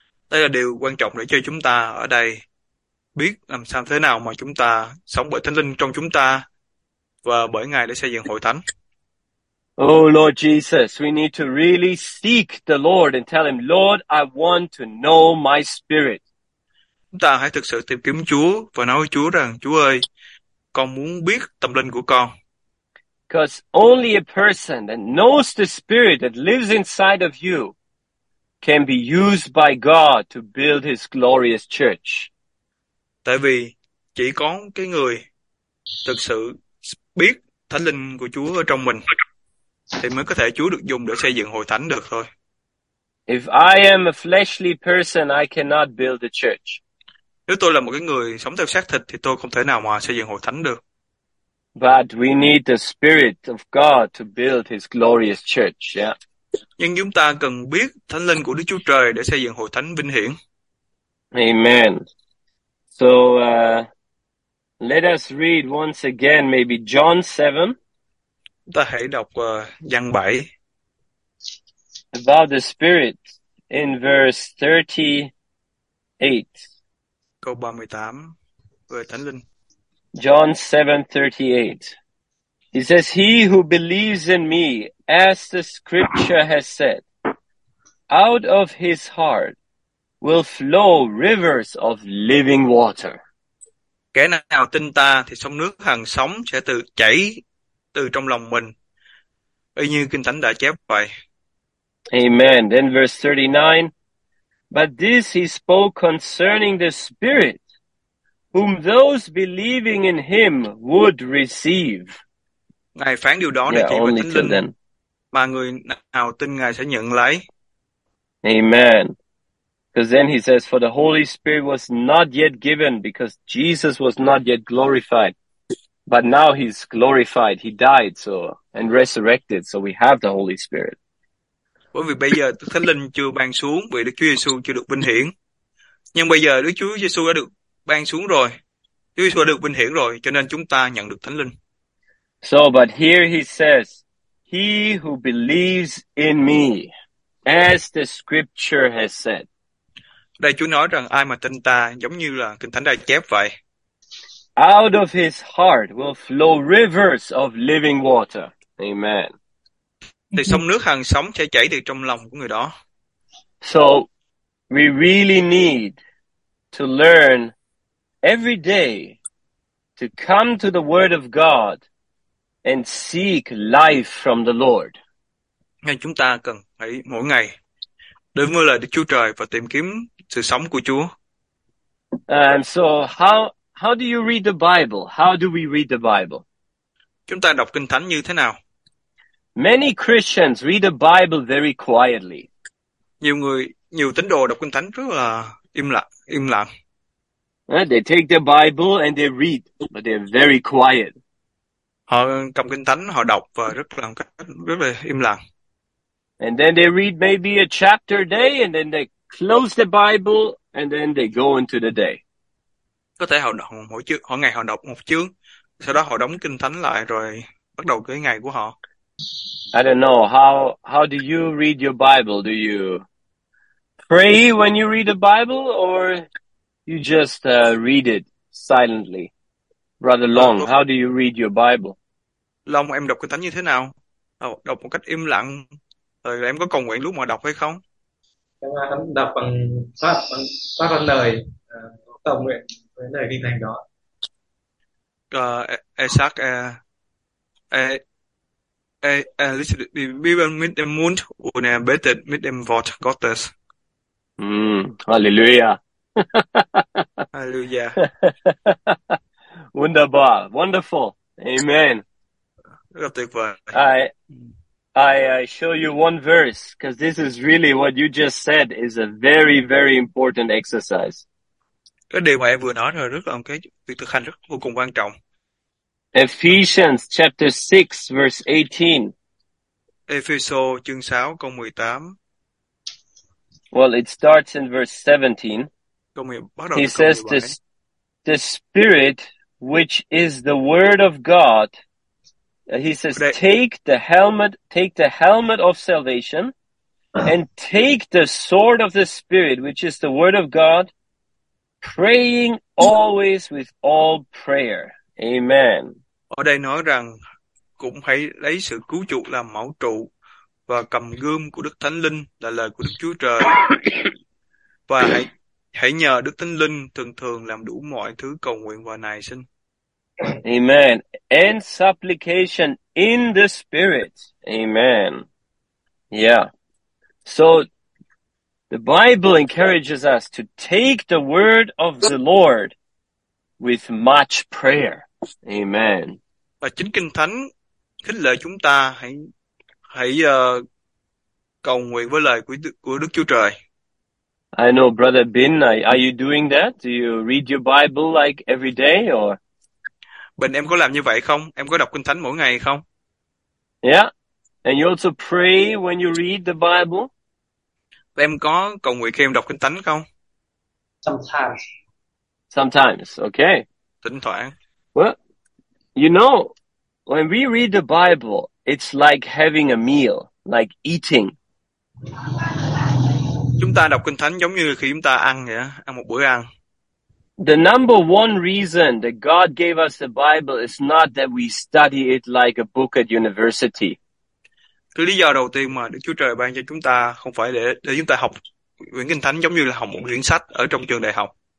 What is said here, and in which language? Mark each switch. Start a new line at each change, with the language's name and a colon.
Vietnamese: Đây là điều quan trọng để cho chúng ta ở đây biết làm sao thế nào mà chúng ta sống bởi Thánh Linh trong chúng ta và bởi Ngài để xây dựng hội thánh.
English: Oh Lord Jesus, we need to really seek the Lord and tell him, Lord, I want to know my spirit.
Vietnamese: Chúng ta hãy thực sự tìm kiếm Chúa và nói với Chúa rằng, Chúa ơi, con muốn biết tâm linh của con.
English: Because only a person that knows the spirit that lives inside of you can be used by God to build his glorious church.
Vietnamese: Tại vì chỉ có cái người thực sự biết Thánh Linh của Chúa ở trong mình thì mới có thể Chúa được dùng để xây dựng hội thánh được thôi.
English: If I am a fleshly person, I cannot build a church.
Vietnamese: Nếu tôi là một cái người sống theo xác thịt thì tôi không thể nào mà xây dựng hội thánh được.
English: But we need the Spirit of God to build his glorious church. Yeah.
Vietnamese: Nhưng chúng ta cần biết Thánh Linh của Đức Chúa Trời để xây dựng hội thánh vinh hiển.
English: Amen. So let us read once again maybe John 7.
Vietnamese: Chúng ta hãy đọc văn 7.
English: About the Spirit in verse 38.
Vietnamese: Câu 38 về Thánh Linh.
English: John 7:38. He says, He who believes in me, as the scripture has said, out of his heart will flow rivers of living water.
Vietnamese: Kẻ nào tin ta thì sông nước hằng sống sẽ tự chảy từ trong lòng mình, y như Kinh Thánh đã chép vậy.
English: Amen. Then verse 39. But this he spoke concerning the Spirit, whom those believing in him would receive.
Vietnamese: Ngài phán điều đó là chỉ về Thánh Linh
English: then.
Vietnamese: Mà người nào tin Ngài sẽ nhận lấy.
English: Amen. Because then he says, for the Holy Spirit was not yet given because Jesus was not yet glorified. But now he's glorified. He died so and resurrected. So we have the Holy Spirit.
Vietnamese: Bởi vì bây giờ Đức Thánh Linh chưa ban xuống vì Đức Chúa Giêsu chưa được vinh hiển. Nhưng bây giờ Đức Chúa Giêsu đã được ban xuống rồi. Đức Chúa Giêsu được vinh hiển rồi cho nên chúng ta nhận được Thánh Linh.
English: So but here he says, he who believes in me as the scripture has said.
Vietnamese: Đây Chúa nói rằng ai mà tin ta giống như là Kinh Thánh đã chép vậy.
English: Out of his heart will flow rivers of living water. Amen.
Vietnamese: Thì sông nước hằng sống sẽ chảy từ trong lòng của người đó.
English: So, we really need to learn every day to come to the Word of God and seek life from the Lord.
Vietnamese: Nên chúng ta cần phải mỗi ngày đến với lời Đức Chúa Trời và tìm kiếm sự sống của Chúa.
English: So, how do you read the Bible? How do we read the Bible?
Vietnamese: Chúng ta đọc Kinh Thánh như thế nào?
English: Many Christians read the Bible very quietly.
Vietnamese: Nhiều tín đồ đọc Kinh Thánh rất là im lặng.
English: They take the Bible and they read, but they're very quiet.
Vietnamese: Họ cầm Kinh Thánh, họ đọc và rất là im lặng.
English: And then they read maybe a chapter a day and then they close the Bible and then they go into the day.
Vietnamese: Có thể họ đọc mỗi chương, mỗi ngày họ đọc một chương, sau đó họ đóng Kinh Thánh lại rồi bắt đầu cái ngày của họ.
English: I don't know how do you read your Bible? Do you pray when you read the Bible, or you just read it silently, rather long? How do you read your Bible?
Vietnamese: Long em đọc Kinh Thánh như thế nào? Đọc một cách im lặng, rồi em có cầu nguyện lúc mà đọc hay không? Em đọc bằng phát văn lời, cầu nguyện với lời kinh thánh đó.
English: Hallelujah. Hallelujah.
German: Wunderbar.
English: Wonderful. Amen.
Vietnamese: Rất tuyệt vời.
English: I I show you one verse because this is really what you just said is a very, very important exercise.
Vietnamese: Cái điều mà em vừa nói rồi rất là cái việc thực hành rất vô cùng quan trọng.
English: Ephesians chapter 6 verse 18.
Vietnamese: Ephesos chương 6 câu 18.
English: Well, it starts in verse 17.
Vietnamese: Câu 10, bắt đầu
English: He
Vietnamese: từ câu
English: says
Vietnamese: 17.
English: the spirit which is the word of God. He says,
Vietnamese: Đây.
English: take the helmet of salvation and take the sword of the spirit, which is the word of God, praying always with all prayer. Amen.
Vietnamese: Ở đây nói rằng cũng hãy lấy sự cứu chuộc làm mão trụ và cầm gươm của Đức Thánh Linh là lời của Đức Chúa Trời, và hãy hãy nhờ Đức Thánh Linh thường thường làm đủ mọi thứ cầu nguyện và nài xin.
English: Amen. And supplication in the spirit. Amen. Yeah. So the Bible encourages us to take the word of the Lord with much prayer. Amen.
Vietnamese: Và chính Kinh Thánh khích lệ chúng ta hãy hãy cầu nguyện với lời của Đức Chúa Trời.
English: I know, Brother Bin, are you doing that? Do you read your Bible like every day or?
Vietnamese: Bình, em có làm như vậy không? Em có đọc Kinh Thánh mỗi ngày không?
English: Yeah. And you also pray when you read the Bible?
Vietnamese: Em có cầu nguyện khi em đọc Kinh Thánh không?
English: Sometimes. Sometimes, okay.
Vietnamese: Thỉnh thoảng.
English: Well, you know, when we read the Bible, it's like having a meal, like eating.
Vietnamese: Chúng ta đọc Kinh Thánh giống như khi chúng ta ăn vậy, ăn một bữa ăn.
English: The number one reason that God gave us the Bible is not that we study it like a book at university.
Vietnamese: Cái lý do đầu tiên mà Đức Chúa Trời ban cho chúng ta không phải để chúng ta học quyển Kinh Thánh giống như là học một quyển sách ở trong trường đại học.